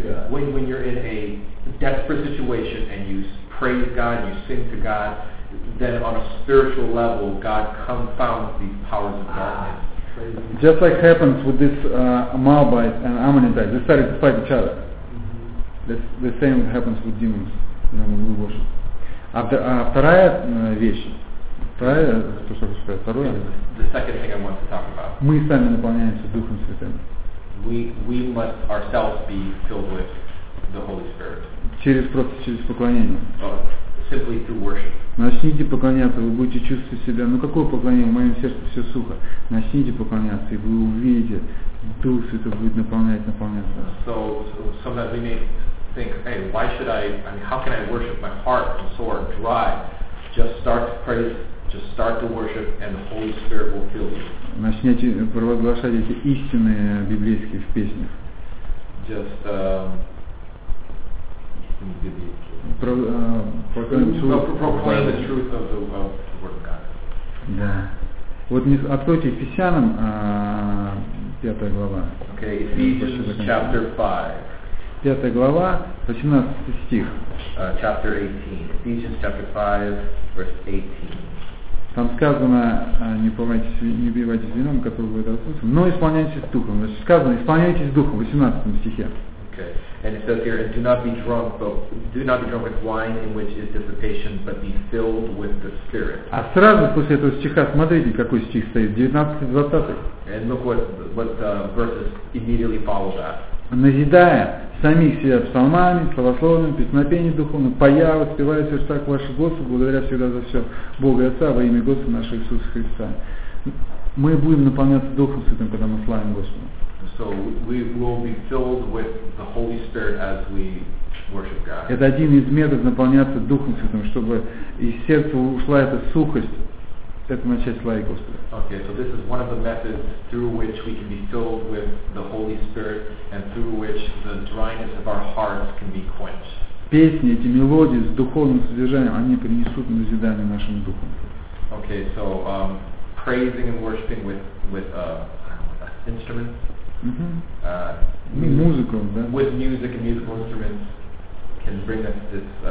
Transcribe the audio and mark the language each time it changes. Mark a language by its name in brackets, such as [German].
[English] When you're in a desperate situation and you praise God, you sing to God, then on a spiritual level, God confounds these powers of darkness. Just like happens with this Moabite and Ammonite, they started to fight each other. The same happens with demons, when we worship. The second thing I want to talk about. [Russian] Мы сами наполняемся Духом Святым. [English] We must ourselves be filled with the Holy Spirit. [Russian] Через поклонение. [English] Simply through worship. [Russian] Начните поклоняться, вы будете чувствовать себя, ну какое поклонение, в моем сердце все сухо. Начните поклоняться, и вы увидите, Дух Святой будет наполнять вас. [English] So sometimes we may think, hey, why should I, I mean, how can I worship? My heart and soul are dry. Just start to praise, just start to worship, and the Holy Spirit will fill you. [Russian] Начните провозглашать эти истины библейские в песнях. [English] Just, proclaim the truth of the Word of God. [Russian] Да. Вот не откройте Ефесянам, пятая глава. [English] Okay, Ephesians chapter 5. [Russian] Пятая глава, 18 стих. [English] Chapter 18. Ephesians chapter 5, verse 18. [Russian] Там сказано, не помойтесь, не убивайтесь вином, который будет отпущен, но исполняйтесь Духом. Значит, сказано, исполняйтесь Духом, 18 стихе. [English] Okay. And it says here, and do not be drunk with wine in which is dissipation, but be filled with the Spirit. [Russian] А сразу после этого стиха, смотрите, какой стих стоит, 19-20. [English] And look what verses immediately follow that. [Russian] Назидая самих себя псалмами, словословием, песнопением духовным, поя, воспевая в сердцах ваши Господу, благодаря всегда за все Бога и Отца во имя Господа нашего Иисуса Христа. Мы будем наполняться Духом Святым, когда мы славим Господа. [English] So we will be filled with the Holy Spirit as we worship God. [Russian] Это один из методов наполняться Духом Святым, чтобы из сердца ушла эта сухость. Это начать славить Господа. [English] Okay, so this is one of the methods through which we can be filled with the Holy Spirit and through which the dryness of our hearts can be quenched. [Russian] Песни, эти мелодии с духовным содержанием, они принесут назидание нашим духом. [English] Okay, so praising and worshiping with instruments. [Russian] Mm-hmm. Музыку, да? [English] With music and musical instruments can bring us this